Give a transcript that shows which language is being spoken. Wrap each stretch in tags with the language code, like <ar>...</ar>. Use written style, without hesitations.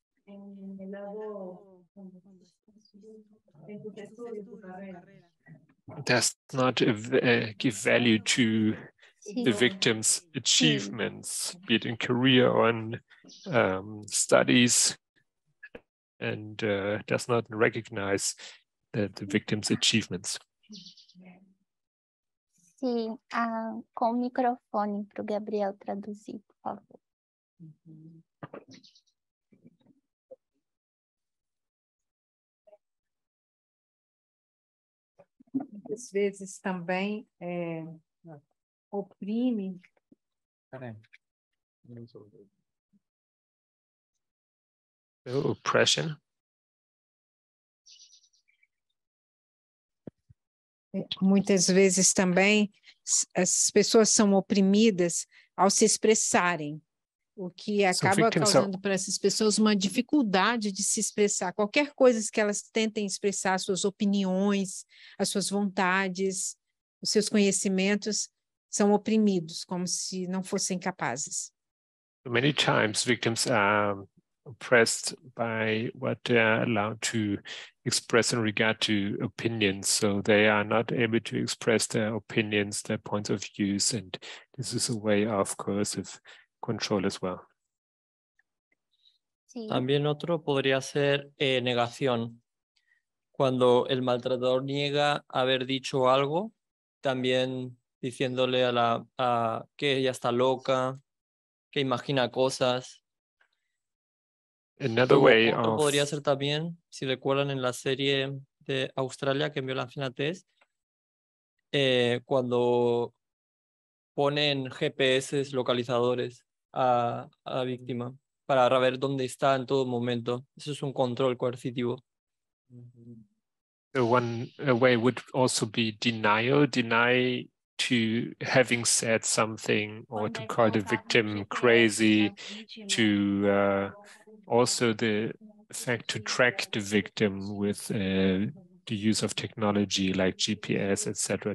<es>en el lado de su estudio, su carrera.</es> <en>Does not give value to the victim's achievements, be it in career or in studies, and does not recognize the victim's achievements.</en> <pt>Sim, com o microfone para o Gabriel traduzir, por favor. Às vezes também oprime. Peraí.</pt> <en>Oppression.</en> <pt>Muitas vezes também as pessoas são oprimidas ao se expressarem, o que acaba causando para essas pessoas uma dificuldade de se expressar. Qualquer coisa que elas tentem expressar, suas opiniões, as suas vontades, os seus conhecimentos, são oprimidos, como se não fossem capazes.</pt> <en>Many times victims are oppressed by what they are allowed to express in regard to opinions, so they are not able to express their opinions, their points of views, and this is a way of coercive control as well.</en> <es>Sí. También otro podría ser negación. Cuando el maltratador niega haber dicho algo, también diciéndole a que ella está loca, que imagina cosas.</es> <en>Another way of...</en> <es>Podría ser también, si recuerdan en la serie de Australia, que en Violencia la Test, cuando ponen GPS localizadores a la víctima para ver dónde está en todo momento. Eso es un control coercitivo.</es> <en>One way would also be deny to having said something or to call the victim crazy, to also the fact to track the victim with the use of technology like GPS, etc.</en>